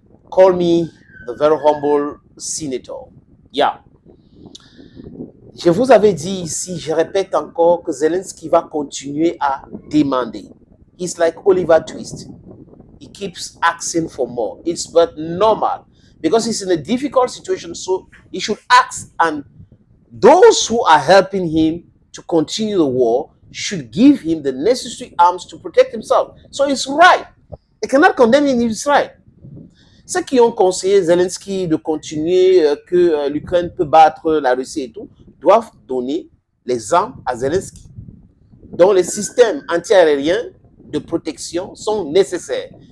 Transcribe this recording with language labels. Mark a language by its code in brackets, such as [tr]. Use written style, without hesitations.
[en] Call me the very humble senator. Yeah. [fr] Je vous avais dit ici, je répète encore, que Zelensky va continuer à demander. [en] It's like Oliver Twist. He keeps asking for more. It's but normal. Because he's in a difficult situation, so he should ask. And those who are helping him to continue the war should give him the necessary arms to protect himself. So it's right. I cannot condemn him, it's right. [fr] Ceux qui ont conseillé Zelensky de continuer que l'Ukraine peut battre la Russie et tout, doivent donner les armes à Zelensky, dont les systèmes anti-aériens de protection sont nécessaires.